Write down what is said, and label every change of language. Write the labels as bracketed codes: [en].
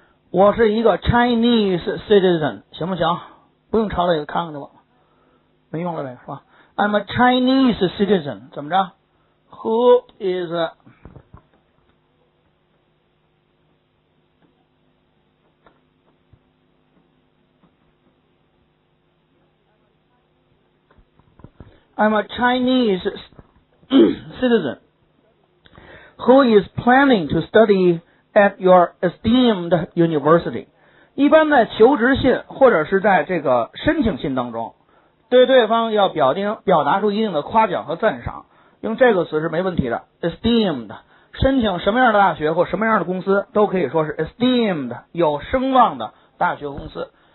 [zh] 我是一个 [en] Chinese citizen， [zh] 行不行？不用抄这个，看看就完，没用了呗，是吧？ [en] I'm a Chinese citizen， [zh] 怎么着？ [en] Who is I'm a Chinese citizen who is planning to study at your esteemed university。 [zh] 一般在求职信或者是在这个申请信当中，对对方要表达出一定的夸奖和赞赏，用这个词是没问题的。 esteemed， 申请什么样的大学或什么样的公司都可以说是 esteemed， 有声望的大学公司。